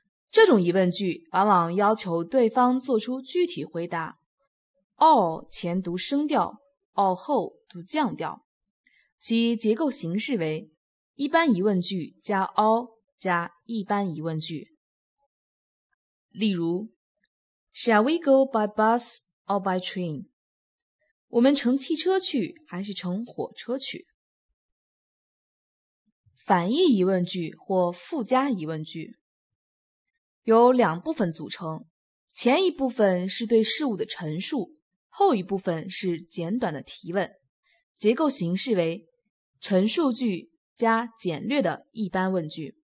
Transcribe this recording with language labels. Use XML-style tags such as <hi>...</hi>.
<zh>这种疑问句往往要求对方做出具体回答。哦前读升调，哦后读降调。其结构形式为一般疑问句加哦加一般疑问句。例如</zh> <en>Shall we go by bus or by train?</en> <zh>我们乘汽车去还是乘火车去？反义疑问句或附加疑问句由两部分组成，前一部分是对事物的陈述，后一部分是简短的提问，结构形式为陈述句加简略的一般问句。</zh>